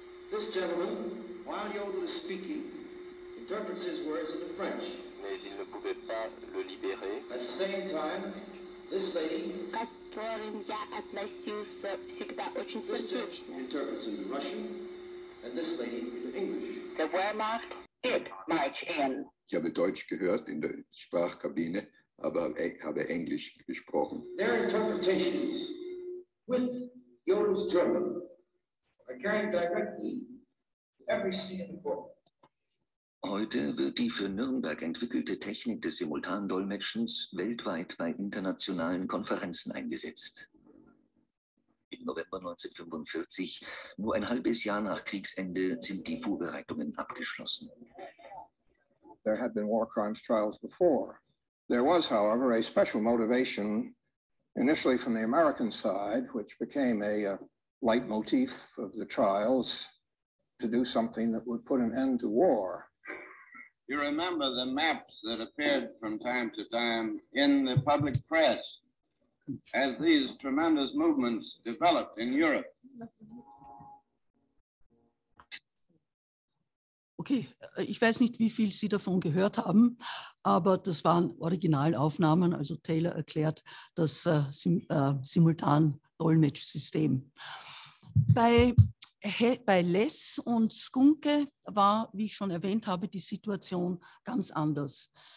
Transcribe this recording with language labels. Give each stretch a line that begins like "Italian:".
English: This gentleman, while Jodl is speaking, interprets his words into French.
French: Mais il ne pouvait pas le libérer.
English: At the same time, this lady, this gentleman interprets into Russian, and this lady into English. The Wehrmacht did march in.
German: Ich habe Deutsch gehört in der Sprachkabine, aber habe Englisch gesprochen.
English: Their interpretations with Jodl's German are carried directly to every scene in the book.
German: Heute wird die für Nürnberg entwickelte Technik des Simultandolmetschens weltweit bei internationalen Konferenzen eingesetzt. Im November 1945, nur ein halbes Jahr nach Kriegsende, sind die Vorbereitungen abgeschlossen.
English: There had been war crimes trials before. There was, however, a special motivation, initially from the American side, which became a leitmotif of the trials, to do something that would put an end to war. You remember the maps that appeared from time to time in the public press as these tremendous movements developed in Europe.
German: Okay, ich weiß nicht, wie viel Sie davon gehört haben, aber das waren Originalaufnahmen, also Taylor erklärt das Simultan-Dolmetsch-System. Bei Less und Skunke war, wie ich schon erwähnt habe, die Situation ganz anders.